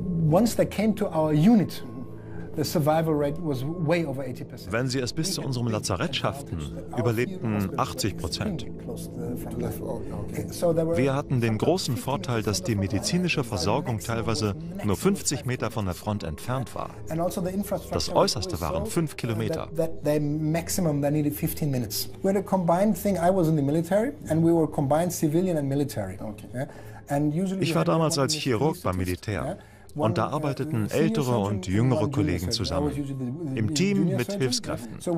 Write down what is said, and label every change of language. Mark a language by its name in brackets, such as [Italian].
[English] Once they came to our unit, the survival rate was way over 80%. [German] Wenn sie es bis zu unserem Lazarett schafften, überlebten 80%. Wir hatten den großen Vorteil, dass die medizinische Versorgung teilweise nur 50 Meter von der Front entfernt war. Das Äußerste waren 5 Kilometer. [English] Their maximum they needed 15 minutes. We had a combined thing. I was in the military and we were combined civilian and military. [German] Ich war damals als Chirurg beim Militär. Und da arbeiteten ältere und jüngere Kollegen zusammen, im Team mit Hilfskräften.